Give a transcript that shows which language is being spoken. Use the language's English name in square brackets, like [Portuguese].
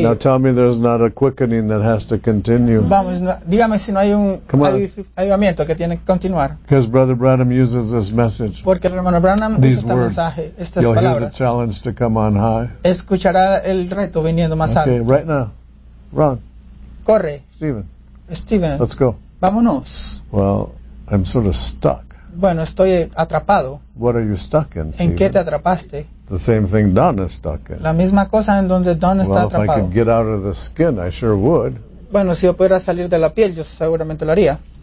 [English] Now tell me there's not a quickening that has to continue. [Spanish] Vamos, dígame si no hay un avivamiento que tiene que continuar. [English] Because Brother Branham uses this message. [Spanish] Porque el hermano Branham [English] These [Spanish] usa este [English] words. [Spanish] Mensaje, estas [English] You'll [Spanish] palabras. [English] Hear the challenge to come on high. [Spanish] Escuchará el reto viniendo más [English] okay, [Spanish] alto. [English] Okay, right now. Run. [Spanish] Corre. [English] Steven. Let's go. [Spanish] Vámonos. [English] Well, I'm sort of stuck. [Spanish] Bueno, estoy atrapado. [English] What are you stuck in, Steven? [Spanish] ¿En qué te atrapaste? [English] The same thing Don is stuck in. [Spanish] La misma cosa en donde Don [English] well, [Spanish] está atrapado. [English] Well, if I could get out of the skin, I sure would. [Spanish] Bueno, si yo pudiera salir de la piel, yo seguramente lo haría.